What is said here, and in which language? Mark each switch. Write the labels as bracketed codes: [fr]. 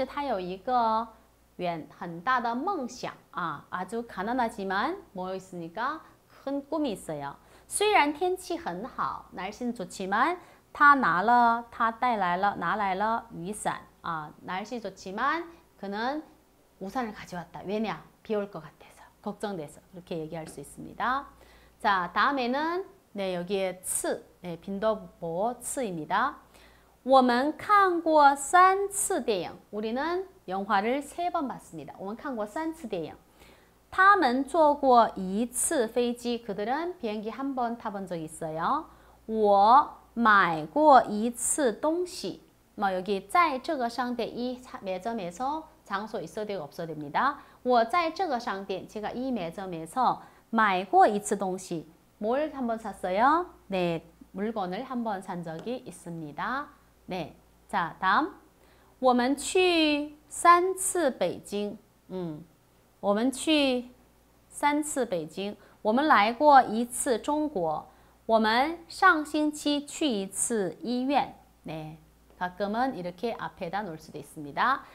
[zh] 虽然他很穷,但是他有一个很大的梦想. [ko] 아주 가난하지만 뭐 있습니까? 큰 꿈이 있어요. [zh] 虽然天气很好, [ko] 날씨는 좋지만 [zh] 他拿了,他带来了,拿来了雨伞. [ko] 날씨 좋지만 그는 우산을 가져왔다. 왜냐? 비 올 것 같아. 걱정돼서 그렇게 얘기할 수 있습니다. 자, 다음에는 네, 여기에 次, 네, 빈도보 次입니다. [zh] 我们看过三次电影. [ko] 우리는 영화를 세 번 봤습니다. [zh] 我们看过三次电影.他们坐过一次飞机. [ko] 그들은 비행기 한 번 타본 적 있어요. [zh] 我买过一次东西. [ko] 뭐 여기 [zh] 在这个商店 [ko] 이 매점에서 장소 있어야 되고 없어야 됩니다. [zh] 我在这个商店, [ko] 제가 이 매점에서 [zh] 买过一次东西. [ko] 뭘 한번 샀어요? 네, 물건을 한번 산 적이 있습니다. 네, 자, 다음. [zh] 我们去三次北京. 我们去三次北京.我们来过一次中国. 我们上星期去一次医院. [ko] 네, 가끔은 이렇게 앞에다 놓을 수도 있습니다.